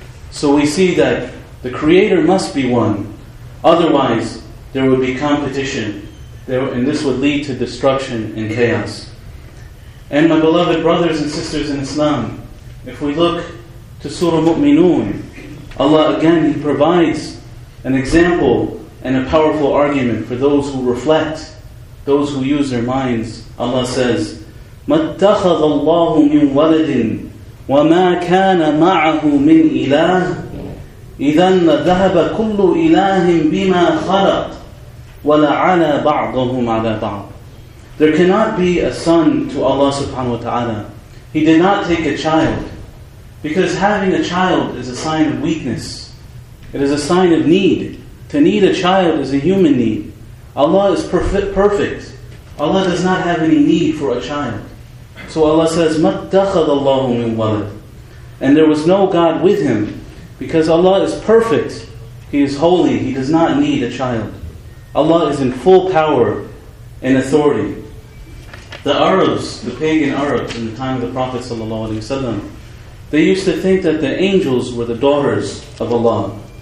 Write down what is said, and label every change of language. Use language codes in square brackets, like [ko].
[en] So we see that the Creator must be one. Otherwise, there would be competition, and this would lead to destruction and chaos. And my beloved brothers and sisters in Islam, if we look to Surah Mu'minun, Allah again, He provides an example and a powerful argument for those who reflect those who use their minds. Allah says, [ar] مَتَّخَذَ اللَّهُ مِنْ وَلَدٍ وَمَا كَانَ مَعَهُ مِنْ إِلَهٍ إِذًا لَذَهَبَ كُلُّ إِلَهٍ بِمَا خَلَقَ وَلَعَلَى بَعْضُهُمْ عَلَى بَعْضٍ. [en] There cannot be a son to Allah subhanahu wa ta'ala. He did not take a child, because having a child is a sign of weakness. It is a sign of need. To need a child is a human need. Allah is perfect. Allah does not have any need for a child. So Allah says, [ar] مَتَّخَذَ اللَّهُ مِنْ وَلَدٍ. [en] And there was no God with him, because Allah is perfect. He is holy. He does not need a child. Allah is in full power and authority. The Arabs, the pagan Arabs in the time of the Prophet ﷺ, they used to think that the angels were the daughters of Allah.